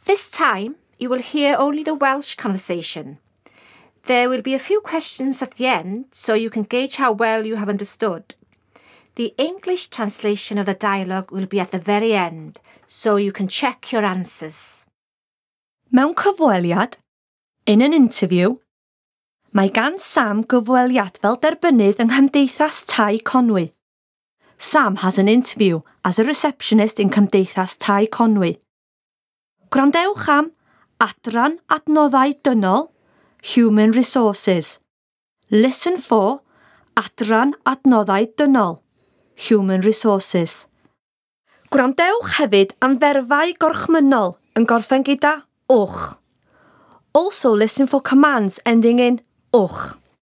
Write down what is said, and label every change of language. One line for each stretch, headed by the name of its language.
English: This time, you will hear only the Welsh conversation. There will be a few questions at the end so you can gauge how well you have understood. The English translation of the dialogue will be at the very end, so you can check your answers.
Welsh: Mewn cyfweliad,
English: in an interview,
Welsh: mae gan Sam gyfweliad fel derbynydd yng Nghymdeithas Tai Conwy.
English: Sam has an interview as a receptionist in Cymdeithas Tai Conwy.
Welsh: Gwrandewch am Adran Adnoddau Dynol,
English: Human Resources. Listen for
Welsh: Adran Adnoddau Dynol,
English: Human Resources.
Welsh: Gwrandewch hefyd am Ferfau Gorchmynol yn gorffen gyda Wch.
English: Also listen for commands ending in Wch.